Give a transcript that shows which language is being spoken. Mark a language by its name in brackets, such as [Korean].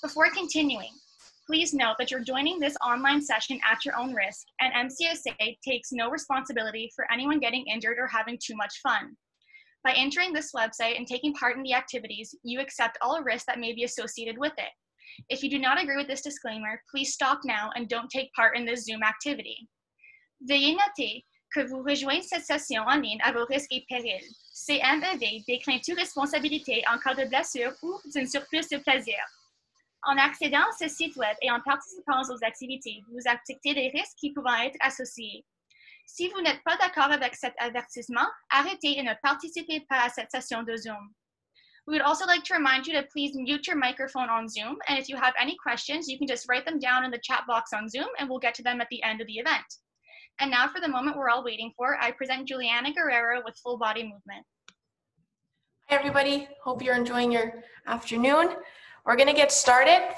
[English] Before continuing, please note that you're joining this online session at your own risk, and MCSA takes no responsibility for anyone getting injured or having too much fun. By entering this website and taking part in the activities, you accept all risks that may be associated with it. If you do not agree with this disclaimer, please stop now and don't take part in this Zoom activity. [French] Veuillez noter que vous rejoignez cette session en ligne à vos risques et périls. CMEV déclinent toute responsabilité en cas de blessure ou d'une surplus de plaisir. En accédant à ce site web et en participant aux activités, vous acceptez des risques qui peuvent être associés. Si vous n'êtes pas d'accord avec cet avertissement, arrêtez et ne participez pas à cette session de Zoom. [English] We would also like to remind you to please mute your microphone on Zoom, and if you have any questions, you can just write them down in the chat box on Zoom, and we'll get to them at the end of the event. And now, for the moment we're all waiting for, I present Juliana Guerrero with Full Body Movement. Hi, everybody. Hope you're enjoying your afternoon. We're going to get started.